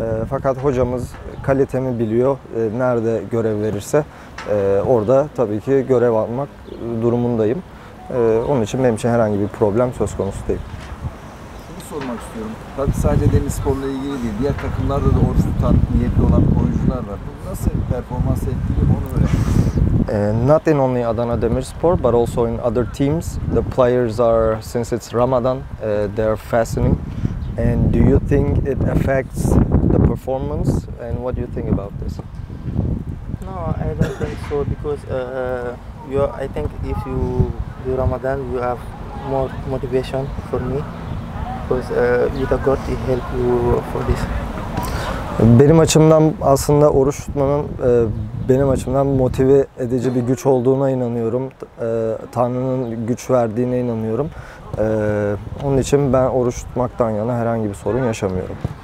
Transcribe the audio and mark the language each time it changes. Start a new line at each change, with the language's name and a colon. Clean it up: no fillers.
Turkish: Fakat hocamız kalitemi biliyor. Nerede görev verirse orada tabii ki görev almak durumundayım. Onun için benim için herhangi bir problem söz konusu değil. Şunu sormak istiyorum. Tabii sadece Denizspor'la ilgili değil. Diğer takımlarda da orta tutan niyetli olan oyuncular var. Bunu nasıl performans ettiğini onu öğrenmek.
English: Not in only Adana Demirspor, but also in other teams, the players are, since it's Ramadan, they're fasting. And do you think it affects the performance? And what do you think about this? No, I don't think so, because I think if you do Ramadan, you have more motivation for me, because with a God, it help you for this.
Turkish: Benim açımdan aslında oruç tutmanın benim açımdan motive edici bir güç olduğuna inanıyorum. Tanrı'nın güç verdiğine inanıyorum. Onun için ben oruç tutmaktan yana herhangi bir sorun yaşamıyorum.